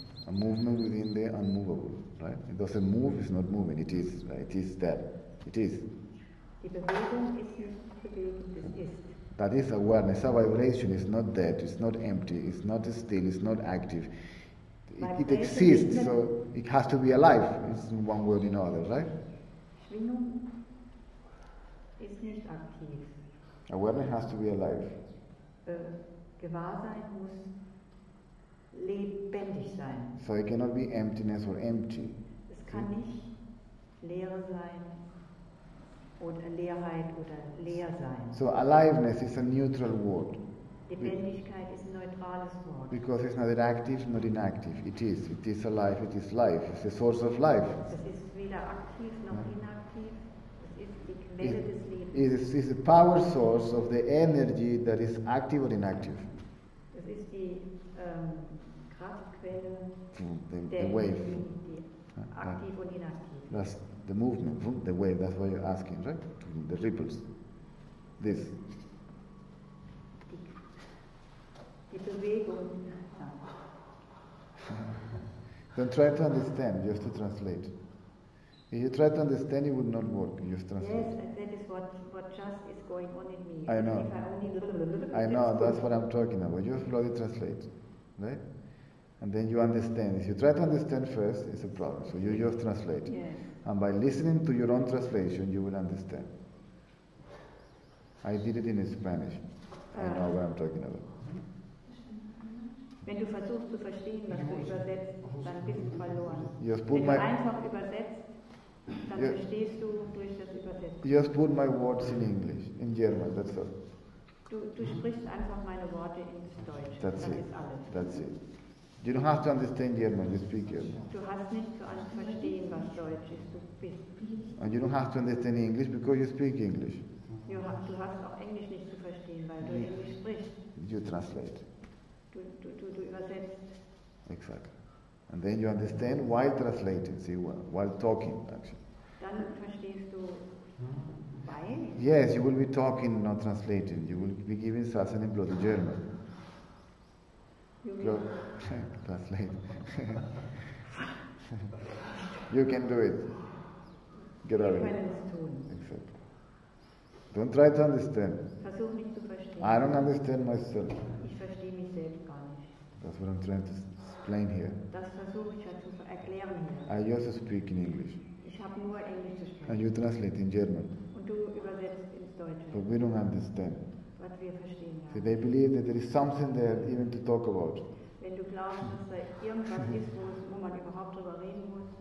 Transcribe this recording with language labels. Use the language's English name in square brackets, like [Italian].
[English] movement within the unmovable, right? It doesn't move, it's not moving, it is, right? It is there. It is. [German] Die Bewegung ist nicht Bewegung, das ist. [English] That is awareness. A vibration is not dead, it's not empty, it's not still, it's not active. It exists, so it has to be alive, it's in one way or another, right? [German] Schwingung ist nicht aktiv. [English] Awareness has to be alive. [German] Gewahrsein muss lebendig sein. [English] So it cannot be emptiness or empty. [German] Es kann nicht leer sein oder Leerheit oder leer sein. [English] So aliveness is a neutral word. [German] Lebendigkeit ist ein neutrales Wort. [English] Because it's neither active nor inactive. It is. It is alive. It is life. It's the source of life. [German] Es ist weder aktiv noch inaktiv. Es ist die Quelle des Lebens. [English] It is the power source of the energy that is active or inactive. [German] Das ist die Kraftquelle. [English] The wave. [German] Aktiv und inaktiv. [English] That's the movement, the wave. That's what you're asking, right? The ripples. This. [German] Die Bewegung. [English] Don't try to understand. You have to translate. If you try to understand, it would not work. You just translate. Yes, that is what just is going on in me. I know. I know. That's what I'm talking about. You slowly translate, right? And then you understand. If you try to understand first, it's a problem. So you just translate. Yes. And by listening to your own translation, you will understand. I did it in Spanish. I know what I'm talking about. [German] Wenn du versuchst zu verstehen, was du übersetzt, dann bist du verloren. Wenn du einfach übersetzt, dann verstehst du durch das Übersetzen. [English] Just put my words in English, in German, that's all. [German] Du sprichst einfach meine Worte ins Deutsche. [English] That's [German] das [English] it. [German] Ist alles. [English] That's it. You don't have to understand German, you speak German. [German] Du hast nicht zu verstehen, was Deutsch ist, du bist. [English] And you don't have to understand English, because you speak English. [German] Du hast auch Englisch nicht zu verstehen, weil du Englisch sprichst. [English] You translate. [German] Du übersetzt. [English] Exactly. And then you understand while translating, see, while talking, actually. [German] Dann verstehst du, weil? [English] Yes, you will be talking, not translating. You will be giving Sassen in blood in German. You mean? Translate. You can do it. Get out of it. Exactly. Don't try to understand. [German] Versuch mich zu verstehen. [English] I don't understand myself. [German] Ich verstehe mich selbst gar nicht. [English] That's what I'm trying to say. Explain here. [German] Das versuche ich ja zu erklären hier. [English] I just speak in English. [German] Ich habe nur Englisch zu sprechen. [English] And you translate in German. [German] Und du übersetzt ins Deutsche. [English] But we don't understand. [German] Was wir verstehen ja. [English] See, they believe that there is something there even to talk about. [German] Wenn du glaubst, dass da irgendwas ist, wo man überhaupt drüber reden muss.